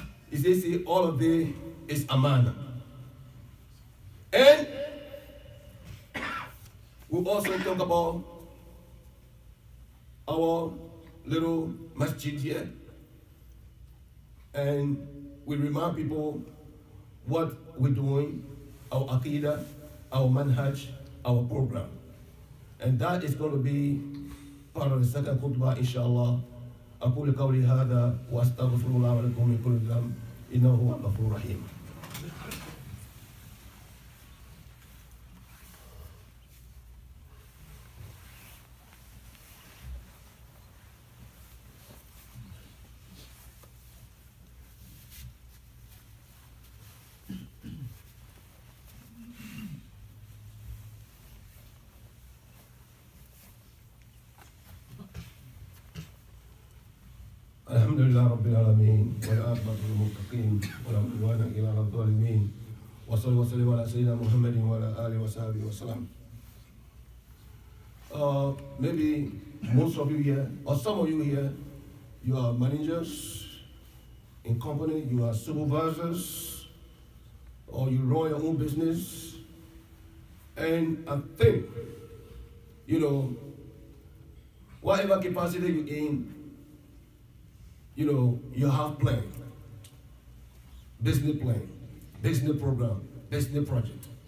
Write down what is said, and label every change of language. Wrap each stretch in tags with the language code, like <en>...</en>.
<en>You see, all of it is amana. And we also talk about our little masjid here. And we remind people what we're doing, our aqidah, our manhaj, our program. And that is going to be part of the second khutbah, inshallah.</en> <ar>أقول قولي هذا واستغفر الله لكم من كل ذنب إنه هو الغفور الرحيم. الحمد لله رب العالمين والعاقبة للمتقين ولا عدوان إلا على الظالمين وصلى وسلم على سيدنا محمد وعلى آله وصحبه وسلم.</ar> <en>Maybe most of you here or some of you here, you are managers in company, you are supervisors, or you run your own business, and I think, you know, whatever capacity you're in, you know, you have plan, business plan, business program, business project.</en>